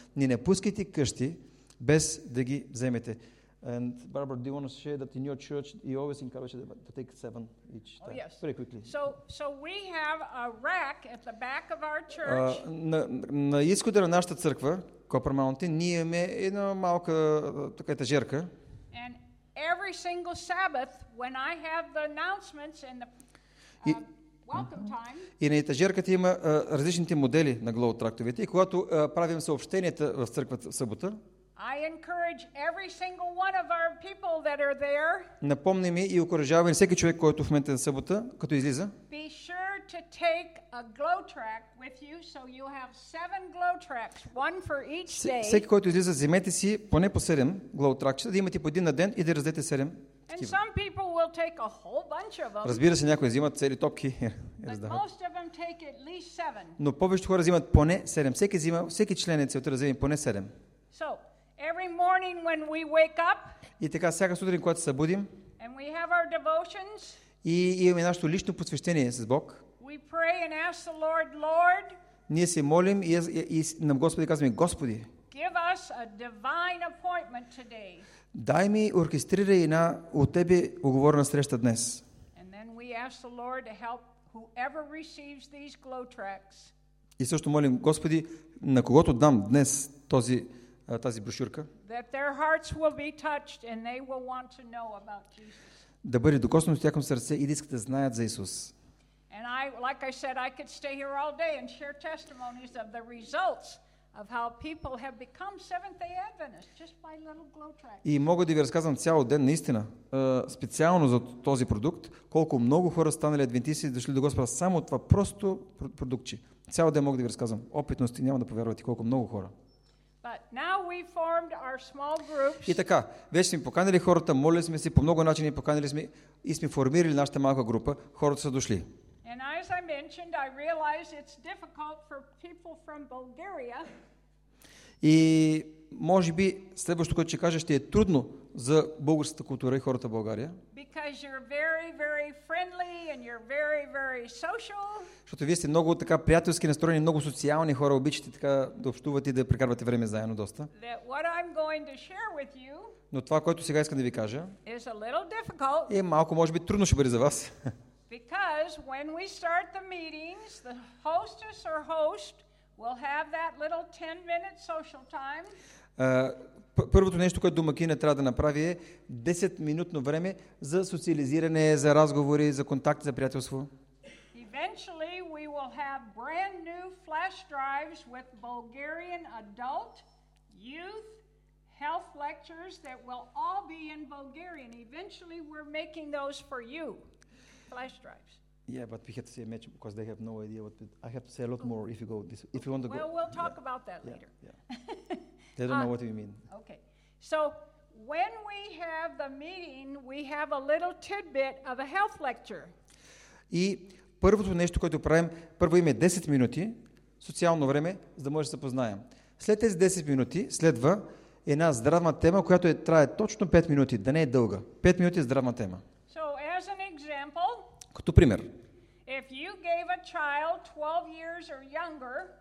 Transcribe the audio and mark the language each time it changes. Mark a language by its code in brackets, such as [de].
[bg] Ни не пускайте къщи без да ги вземете. [en] And Barbara, do you want to share that in your church you always encourage them to take seven each time? Oh, yes. Very quickly. So we have a rack at the back of our church. [bg] На изхода на нашата църква, Copper Mountain, ние имаме една малка така етажерка. [en] And every single Sabbath, when I have the announcements and the welcome time. [bg] И на етажерката има различните модели на Glow трактовете. И когато правим съобщенията в църквата в събота, [en] I encourage every single one of our people that are there. [bg] Напомням и окуражавам всеки човек, който в момента на събота, като излиза. [en] Be sure to take a glow track with you so you have seven glow tracks, one for each day. [bg] Всеки, който излиза, вземете си поне по 7 glow tracks, да имате по един на ден и да раздете 7. [en] And some people will take a whole bunch of them. [bg] Разбира се, някои взимат цели топки. [en] Most of them take at least 7. [bg] Но повечето хора взимат поне 7. Всеки взима, всеки член е целта да вземе поне 7. [en] So, every morning when we wake up, [bg] и така всяка сутрин, когато се събудим, [en] and we have our devotions, [bg] и имаме нашето лично посвещение с Бог, [en] we pray and ask the Lord, Lord, [bg] ние се молим и на Господи казваме, Господи, [en] give us a divine appointment today. [bg] Дай ми, оркестрирай една от Тебе уговорена среща днес. [en] And then we ask the Lord to help whoever receives these glow tracks. [bg] И също молим, Господи, на когото дам днес този тази брошурка, [en] that their hearts will be touched and they will want to know about Jesus. [bg] Да бъде докоснато с тяхно сърце и да искат да знаят за Исус. [en] And I, like I said, I could stay here all day and share testimonies of the results of how people have become Seventh-day Adventists just by little glow tracks. [bg] И мога да ви разказвам цял ден наистина, специално за този продукт, колко много хора станали адвентисти и дошли до Господа само от това просто продуктче. Цял ден мога да ви разказвам. Опитности няма да повярвате колко много хора. [en] But now we formed our small groups. [bg] И така, вече сме поканили хората, молили сме се по много начини, поканили сме и сме формирали нашата малка група, хората са дошли. [en] And as I mentioned, I realize it's difficult for people from Bulgaria. [bg] И може би следващото, което ще кажа, ще е трудно за българската култура и хората в България. [en] Because you're very, very friendly and you're very, very social. [bg] Защото вие сте много така приятелски настроени, много социални хора, обичате така да общувате и да прекарвате време заедно доста. [en] That what I'm going to share with you, [bg] но това, което сега искам да ви кажа, [en] is a little difficult. [bg] Е малко, може би, трудно ще бъде за вас. [en] Because when we start the meetings, the hostess or host will have that little 10-minute social time. [bg] Първото нещо, което домакина трябва да направи е 10-минутно време за социализиране, за разговори, за контакт, за приятелство. [en] Eventually we will have brand new flash drives with Bulgarian adult youth health lectures that will all be in Bulgarian. Eventually we're making those for you. Flash drives. Yeah, but we have to say much because they have no idea what to, I have to say a lot more if you go this, if you want to well, go. Well, we'll talk yeah. about that later. Yeah. They don't know what you mean. Okay. So, when we have the meeting, we have a little tidbit of a health lecture. [bg] И първото нещо, което правим, първо има 10 минути социално време, за да може да се познаем. След тези 10 минути следва една здравна тема, която трае точно 5 минути, да не е дълга. 5 минути здравна тема. [en] So, as an example, [bg] като пример, [en] if you gave a child 12 years or younger,